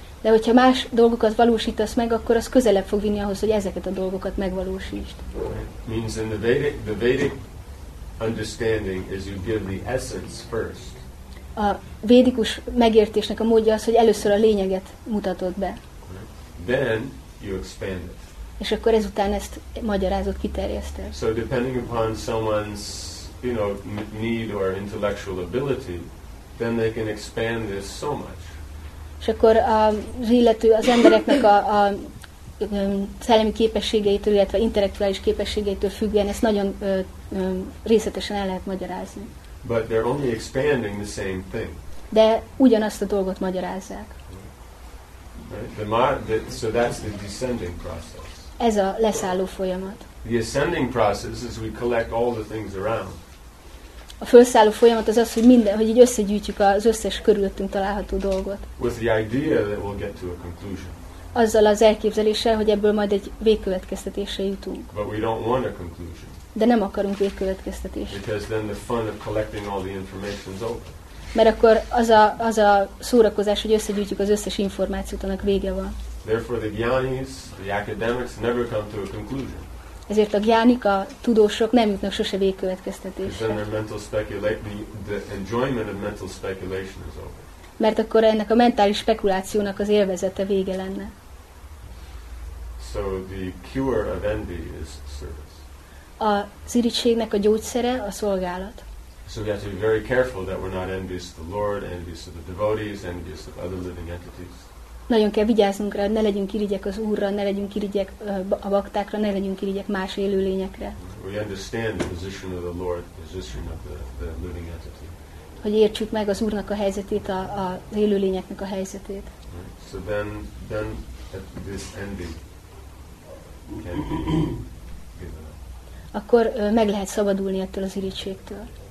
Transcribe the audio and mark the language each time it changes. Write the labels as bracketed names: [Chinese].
[Hungarian] De hogyha más dolgokat valósítasz meg, akkor az közelebb fog vinni ahhoz, hogy ezeket a dolgokat megvalósítsd. [English] Means in the Vedic understanding is you give the essence first. [Hungarian] A védikus megértésnek a módja az, hogy először a lényeget mutatod be. [English] Then you expand it. [Hungarian] És akkor ezután ezt magyarázod, kiterjeszted. [English] So depending upon someone's, you know, need or intellectual ability, then they can expand this so much. [Hungarian] És akkor az illető, az embereknek a szellemi képességeitől, illetve intellektuális képességeitől függően ezt nagyon részletesen el lehet magyarázni. [English] But they're only expanding the same thing. [Hungarian] De ugyanazt a dolgot magyarázzák. [English] Right? So that's the descending process. [Hungarian] Ez a leszálló folyamat. [English] The ascending process is we collect all the things around. [Hungarian] A fölszálló folyamat az az, hogy minden, hogy így összegyűjtjük az összes körülöttünk található dolgot. [English] With the idea that we'll get to a conclusion. [Hungarian] Azzal az elképzeléssel, hogy ebből majd egy végkövetkeztetésre jutunk. [English] But we don't want a conclusion. [Hungarian] De nem akarunk végkövetkeztetést. [English] Because then the fun of collecting all the information is over. [Hungarian] Mert akkor az a szórakozás, hogy összegyűjtjük az összes információt, annak vége van. [English] Therefore the gyanis, the academics never come to a conclusion. [Hungarian] Ezért a gyánik, a tudósok nem jutnak sose végkövetkeztetésre. [English] Because then their mental the enjoyment of mental speculation is over. [Hungarian] Mert akkor ennek a mentális spekulációnak az élvezete vége lenne. [English] So the cure of envy is service. [Hungarian] Az irigységnek a gyógyszere a szolgálat. [English] So we have to be very careful that we're not envious of the Lord, envious of the devotees, envious of other living entities. [Hungarian] Nagyon kell vigyáznunk rá, ne legyünk irigyek az Úrra, ne legyünk irigyek a baktákra, ne legyünk irigyek más élőlényekre. [English] We understand the position of the Lord, the position of the living entity. [Hungarian] Hogy értsük meg az Úrnak a helyzetét, az élőlényeknek a helyzetét. [English] Right. So then this envy can be given up. [Hungarian] Akkor meg lehet szabadulni ettől az irigységtől.